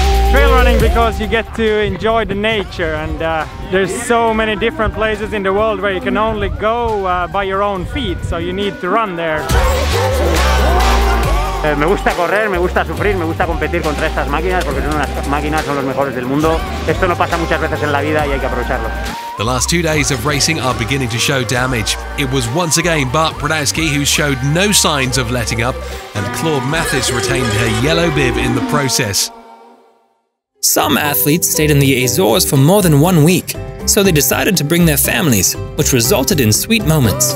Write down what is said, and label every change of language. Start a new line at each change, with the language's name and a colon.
English: Trail running because you get to enjoy the nature, and there's so many different places in the world where you can only go by your own feet, so you need to run there.
Spanish: Me gusta correr, me gusta sufrir, me gusta competir contra estas máquinas porque son unas máquinas, son los mejores del mundo. Esto no pasa muchas veces en la vida y hay que aprovecharlo.
English: The last 2 days of racing are beginning to show damage. It was once again Bart Pradowski who showed no signs of letting up, and Claude Mathis retained her yellow bib in the process. Some athletes stayed in the Azores for more than 1 week, so they decided to bring their families, which resulted in sweet moments.